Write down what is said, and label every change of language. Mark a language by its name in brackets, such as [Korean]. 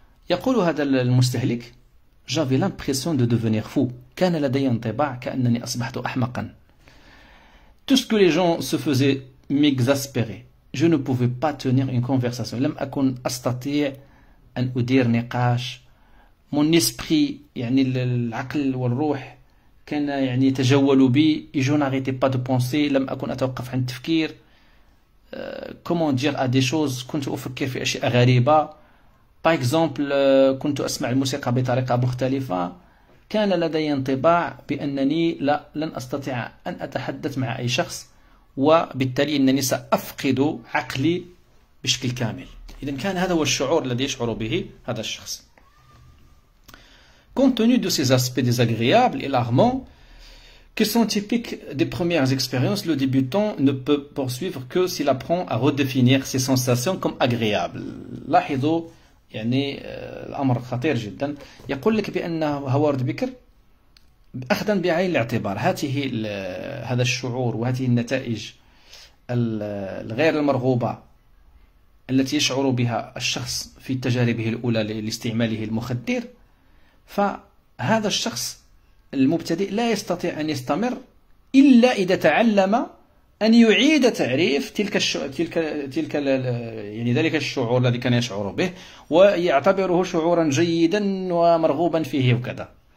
[Arabic] يقول هذا المستهلك: [French] J'avais l'impression de devenir fou. [Arabic] كان لدي انطباع كأنني أصبحت أحمقا. [French] Tout ce que les gens se faisaient m'exaspérait. Je ne pouvais pas tenir une conversation. [Arabic] لم أكن أستطيع أن أدير نقاش. [French] Mon esprit, [Arabic] يعني العقل والروح، كان يعني يتجول بي. [French] Je n'arrêtais pas de penser. [Arabic] لم أكن أتوقف عن التفكير. [French] Comment dire à des choses. [Arabic] كنت أفكر في أشياء غريبة. [French] Par exemple, [Arabic] كنت أسمع الموسيقى بطريقة مختلفة. كان لدي انطباع بأنني لن أستطيع أن أتحدث مع أي شخص، وبالتالي أنني سأفقد عقلي بشكل كامل. إذن كان هذا هو الشعور الذي يشعر به هذا الشخص. [French] Compte tenu de ces aspects désagréables et alarmants qui sont typiques des premières expériences, le débutant ne peut poursuivre que s'il apprend à redéfinir ses sensations comme agréables. [Arabic] لاحظوا يعني الأمر خطير جدا. يقول لك بأن هوارد بيكر أخذا بعين الاعتبار هذا الشعور وهذه النتائج الغير المرغوبة التي يشعر بها الشخص في تجاربه الأولى لاستعماله المخدر، فهذا الشخص المبتدئ لا يستطيع أن يستمر إلا إذا تعلم أن يعيد تعريف تلك يعني ذلك الشعور الذي كان يشعر به، ويعتبره شعورا جيدا ومرغوبا فيه وكذا.